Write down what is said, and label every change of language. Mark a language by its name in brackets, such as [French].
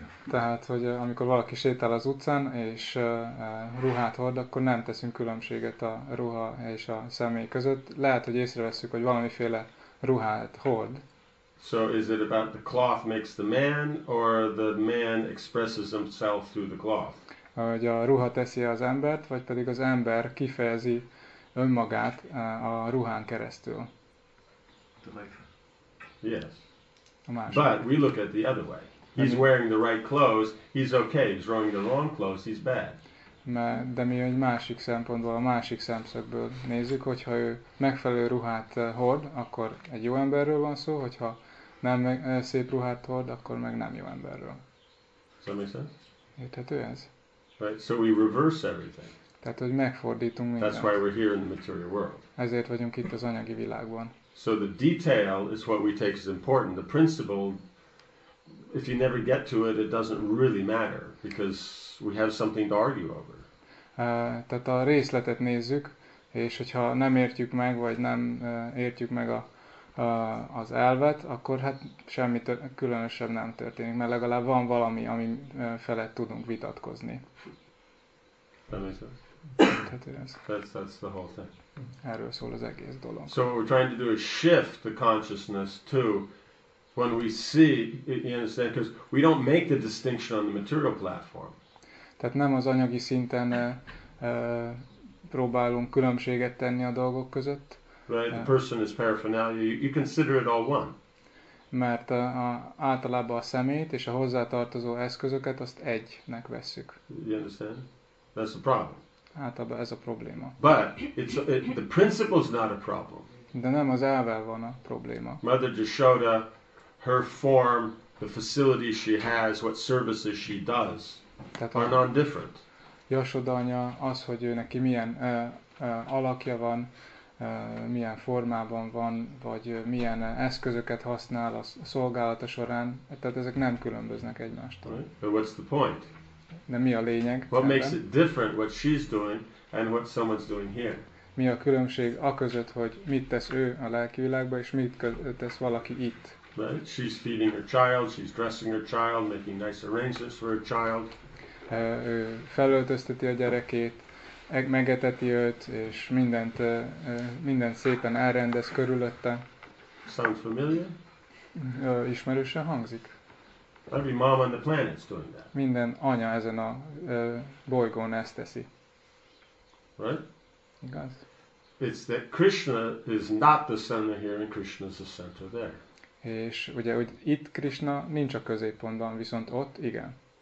[Hungarian] Tehát, hogy amikor valaki sétál az utcán és ruhát hord, akkor nem teszünk különbséget a ruha és a személy között. Lehet, hogy észreveszünk, hogy valamiféle ruhát hord. [English] So is it about the cloth makes the man, or the man expresses himself through the cloth? [Hungarian] Hogy a ruha teszi az embert, vagy pedig az ember kifejezi önmagát a ruhán keresztül? [English] Yes. But we look at the other way. He's wearing the right clothes, he's okay. He's wearing the wrong clothes, he's bad. [Hungarian] De mi egy másik szempontból, a másik szemszögből nézzük, hogyha ő megfelelő ruhát hord, akkor egy jó emberről van szó, hogyha nem szép ruhát hord, akkor meg nem jó emberről. Érthető ez? [English] Right. So we reverse everything. [Hungarian] Tehát, hogy megfordítunk mindent. [English] That's why we're here in the material world. [Hungarian] Ezért vagyunk itt az anyagi világban. [English] So the detail is what we take as important. The principle, if you never get to it, it doesn't really matter, because we have something to argue over. [Hungarian] Tehát a részletet nézzük, és hogyha nem értjük meg, vagy nem értjük meg az elvet, akkor hát semmi különösebb nem történik, mert legalább van valami, ami felett tudunk vitatkozni. [English] That's the whole thing. [Hungarian] Erről szól az egész dolog. [English] So what we're trying to do is shift the consciousness to when we see, you understand, because we don't make the distinction on the material platform. [Hungarian] Tehát nem az anyagi szinten próbálunk különbséget tenni a dolgok között. [English] Right, the person is paraphernalia. You consider it all one. [Hungarian] Mert általában a szemét és a hozzátartozó eszközöket azt egynek vesszük. [English] You understand? That's the problem. [Hungarian] Általában ez a probléma. [English] But the principle is not a problem. [Hungarian] De nem az elvvel van a probléma. [English] Mother Jashoda, her form, the facility she has, what services she does. [Hungarian] Tehát [English] are not different. [Hungarian] Jashoda anya az, hogy ő neki milyen alakja van, milyen formában van, vagy milyen eszközöket használ a szolgálata során, tehát ezek nem különböznek egymástól. [English] Right. But what's the point? [Hungarian] De mi a lényeg? [English] What [Hungarian] ebben? [English] Makes it different what she's doing and what someone's doing here? [Hungarian] Mi a különbség a között, hogy mit tesz ő a lelki világban, és mit tesz valaki itt? [English] Right? She's feeding her child, she's dressing her child, making nice arrangements for her child. [Hungarian] Ő felöltözteti a gyerekét, megeteti őt, és mindent, mindent szépen elrendez körülötte. [English] Sounds familiar? [Hungarian] Ismerősen hangzik. [English] Every mom on the planet's doing that. [Hungarian] Minden anya ezen a bolygón ezt teszi. [English] Right? [Hungarian] Igaz? [English] It's that Krishna is not the center here and Krishna is the center there. [Hungarian] És ugye, hogy itt Krishna nincs a középpontban, viszont ott igen.